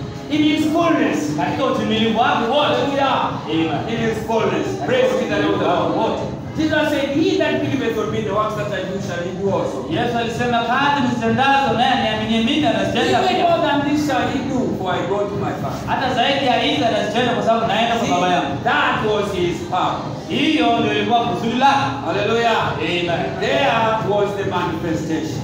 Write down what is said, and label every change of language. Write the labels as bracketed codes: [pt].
[en] In his fullness. [sw] Katika utimilivu wake wote. Yeah. Amen. [en] In his fullness. Praise be the Lord of all. What? Jesus said, he that believeth on me, the works that I do shall he do also. [sw] Yes, alisema kazi nitendazo naye aniaminie mimi anazitenda pia. [en] Even more than this shall he do, for I go to my Father. [sw] Hata zaidi ya hizi anazitenda kwa sababu naenda kwa Baba yangu. [en] That was his power. [sw] Hiyo ndio ilikuwa kusudi lake. Hallelujah. Amen. [en] There was the manifestation.